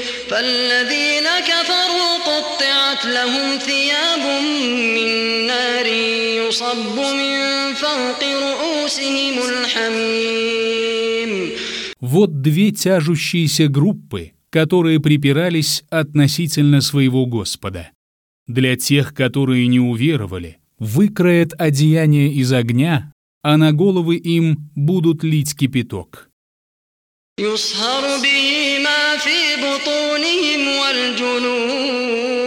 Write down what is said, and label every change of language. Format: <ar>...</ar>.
<ar>فالذين كفروا قطعت لهم ثياب من نار يصب من فوق رؤوسهم الحميم.</ar> <ru>Вот две тяжущиеся группы, которые припирались относительно своего Господа. Для тех, которые не уверовали, выкроят одеяние из огня, а на головы им будут лить кипяток.</ru> <ar>يصهر به ما في بطونهم والجلود.</ar>